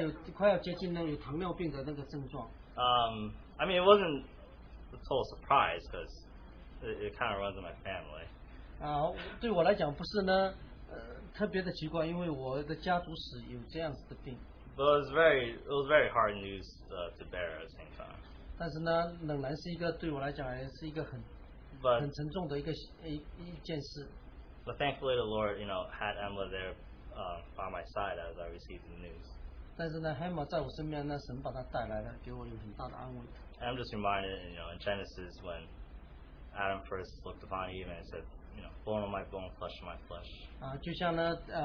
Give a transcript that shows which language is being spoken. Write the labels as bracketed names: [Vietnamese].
[Chinese] 快要接近呢，有糖尿病的那个症状。 [English] I mean, it wasn't a total surprise because it kind of runs in my family. [Chinese] 对我来讲不是呢，特别的奇怪，因为我的家族史有这样子的病。 [English] But it was very hard news to bear at the same time. [Chinese] 但是呢，仍然是一个对我来讲是一个很沉重的一件事。 [English] But thankfully, the Lord, you know, had Emma there by my side as I received the news. [Chinese] 但是呢，Emma在我身边呢，神把她带来了，给我有很大的安慰。 [English] I'm just reminded, you know, in Genesis when Adam first looked upon Eve and said, you know, bone of my bone, flesh of my flesh.